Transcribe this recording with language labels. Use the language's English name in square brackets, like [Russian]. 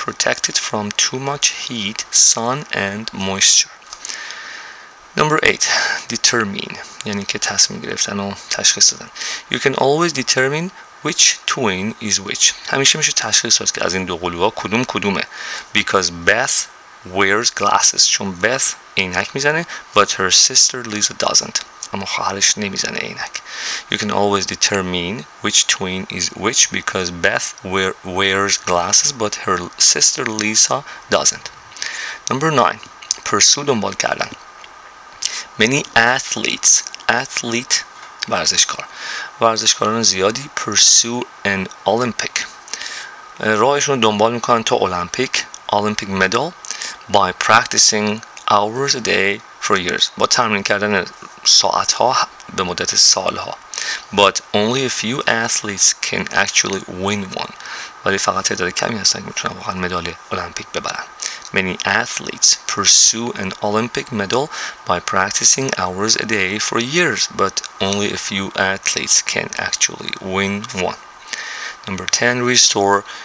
[English] Protect it from too much heat, sun, and moisture. Number 8, determine, [Persian] یعنی که تصمیم گرفتن و تشخیص دادن. [English] You can always determine which twin is which. [Persian] همیشه میشه تشخیص داد که از این دو قلوها کدوم کدومه. [English] Because Beth wears glasses. [Persian] چون Beth عینک میزنه, [English] but her sister Lisa doesn't. [Persian] اما خواهرش نمیزنه عینک. [English] You can always determine which twin is which because Beth wears glasses, but her sister Lisa doesn't. Number 9, pursue, دنبال کردن. Many athletes, ورزشکار. [Persian] ورزشکاران زیادی [English] pursue an Olympic. [Persian] راهشون رو دنبال میکنن تا [English] Olympic medal by practicing hours a day for years. [Persian] با تمرین کردن ساعتها به مدت سالها. [English] But only a few athletes can actually win one. [Persian] ولی فقط تعداد کمی هستن که میتونن واقعا مدال المپیک ببرن. [English] Many athletes pursue an Olympic medal by practicing hours a day for years, but only a few athletes can actually win one. Number 10, restore,